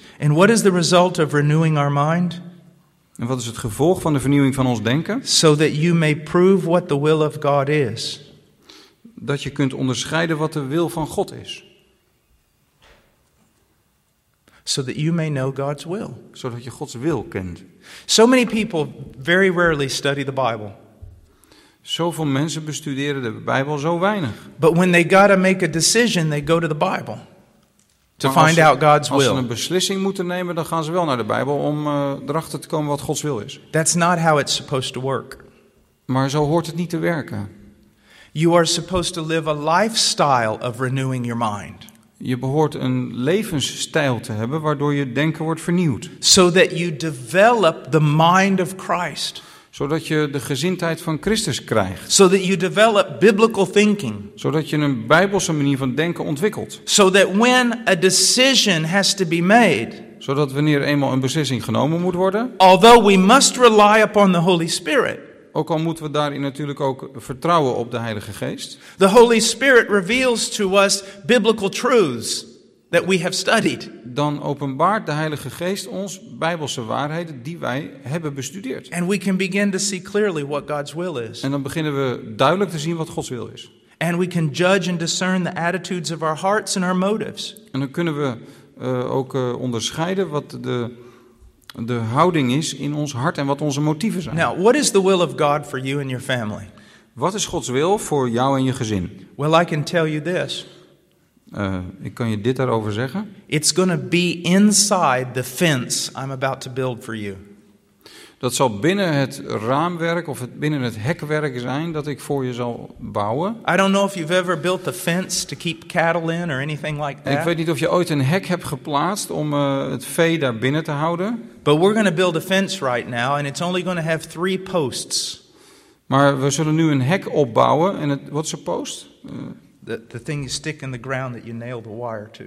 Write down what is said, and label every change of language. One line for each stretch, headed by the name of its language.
English: And what is the result of renewing our mind?
Dutch: En wat is het gevolg van de vernieuwing van ons denken?
English: So that you may prove what the will of God is.
Dutch: Dat je kunt onderscheiden wat de wil van God is.
English: So that you may know God's will.
Dutch: Zodat je Gods wil kent.
English: So many people very rarely study the Bible.
Dutch: Zoveel mensen bestuderen de Bijbel zo weinig.
English: But when they gotta make a decision, they go to the Bible to find out God's will.
Dutch: Als ze een beslissing moeten nemen, dan gaan ze wel naar de Bijbel om erachter te komen wat Gods wil is.
English: That's not how it's supposed to work.
Dutch: Maar zo hoort het niet te werken.
English: You are supposed to live a lifestyle of renewing your mind.
Dutch: Je behoort een levensstijl te hebben waardoor je denken wordt vernieuwd.
English: So that you develop the mind of Christ.
Dutch: Zodat je de gezindheid van Christus krijgt.
English: So that you develop biblical thinking.
Dutch: Zodat je een bijbelse manier van denken ontwikkelt.
English: So that when a decision has to be made.
Dutch: Zodat wanneer eenmaal een beslissing genomen moet worden.
English: Although we must rely upon the Holy Spirit.
Dutch: Ook al moeten we daarin natuurlijk ook vertrouwen op de Heilige Geest.
English: The Holy Spirit reveals to us biblical truths that we have studied.
Dutch: Dan openbaart de Heilige Geest ons bijbelse waarheden die wij hebben bestudeerd.
English: And we can begin to see clearly what God's will is.
Dutch: En dan beginnen we duidelijk te zien wat Gods wil is.
English: And we can judge and discern the attitudes of our hearts and our motives.
Dutch: En dan kunnen we ook onderscheiden wat de houding is in ons hart en wat onze motieven zijn.
English: Now, what is the will of God for you and your family?
Dutch: Wat is Gods wil voor jou en je gezin?
English: Well, I can tell you this.
Dutch: Ik kan je dit daarover zeggen.
English: It's going to be inside the fence I'm about to build for you.
Dutch: Dat zal binnen het raamwerk of binnen het hekwerk zijn dat ik voor je zal bouwen.
English: I don't know if you've ever built a fence to keep cattle in or anything like that.
Dutch: Ik weet niet of je ooit een hek hebt geplaatst om het vee daar binnen te houden.
English: But we're going to build a fence right now and it's only going to have 3 posts.
Dutch: Maar we zullen nu een hek opbouwen en wat is een post?
English: The thing you stick in the ground that you nail the wire to.